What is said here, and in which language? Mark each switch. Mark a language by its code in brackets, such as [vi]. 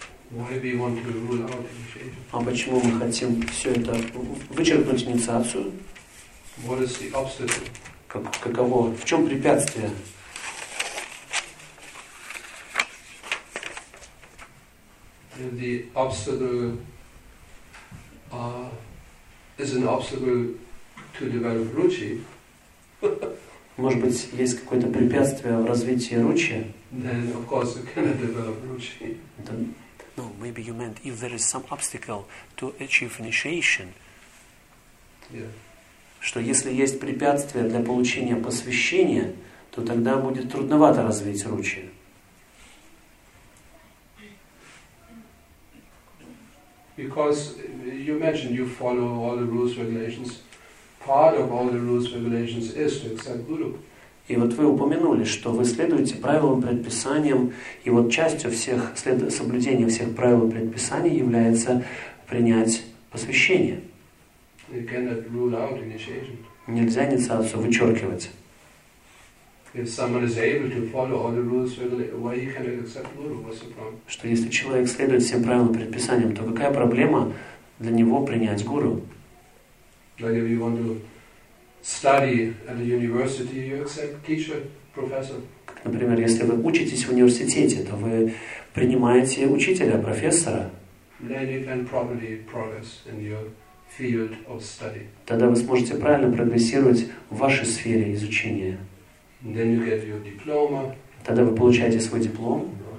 [en] Why we want to rule out initiation? [ru] А почему мы хотим все это вычеркнуть инициацию? [en] What is the obstacle? [ru] Каково? В чем препятствие? [en] The obstacle is an obstacle to develop ruchi. [ru] Может быть, есть какое-то препятствие в развитии ручи? [en] Then, of course, you cannot develop ручи. No, maybe you meant if there is some obstacle to achieve initiation. Yeah. [ru] Что если есть препятствие для получения посвящения, то тогда будет трудновато развить ручи. [en] Because you mentioned you follow all the rules, regulations. Part of all the rules, regulations is to accept guru. [ru] И вот вы упомянули, что вы следуете правилам, предписаниям, и вот частью всех соблюдения всех правил и предписаний является принять посвящение. [en] You cannot rule out initiation. [ru] Нельзя инициацию вычеркивать. [en] If someone is able to follow all the rules, why he cannot accept guru? What's the problem? [ru] Что если человек следует всем правилам и предписаниям, то какая проблема для него принять гуру? [en] Like if you want to study at a university, you accept teacher, professor. [ru] Например, если вы учитесь в университете, то вы принимаете учителя, профессора. [en] Then you can probably progress in your field of study. [ru] Тогда вы сможете правильно прогрессировать в вашей сфере изучения. [en] Then you get your diploma. [ru] Тогда вы получаете свой диплом.